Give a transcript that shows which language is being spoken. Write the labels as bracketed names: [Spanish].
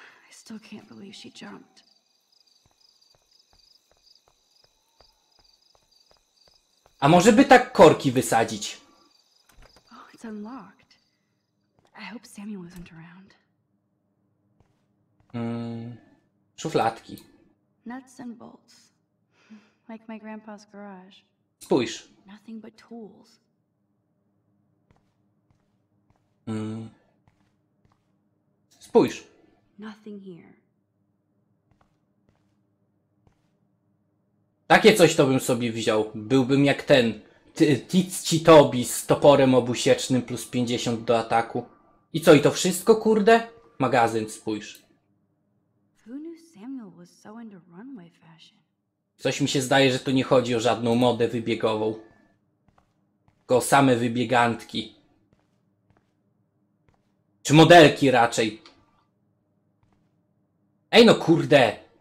[English] I still can't believe she jumped. [Polish] A może by tak korki wysadzić? [English] Oh, it's unlocked. I hope Samuel isn't around. [Polish] Szufladki. [English] Nuts and bolts. Like my grandpa's garage. [Polish] Spójrz. [English] Nothing but tools. [Polish] Spójrz. [English] Nothing here. [Polish] Takie coś to bym sobie wziął. Byłbym jak ten Tici Tobi z toporem obusiecznym plus 50 do ataku. I co, i to wszystko, kurde? magazyn spójrz. [English] Who knew Samuel was so into runway fashion? [Polish] Coś mi się zdaje, że tu nie chodzi o żadną modę wybiegową. Tylko o same wybiegantki. Czy modelki raczej. Ej no kurde!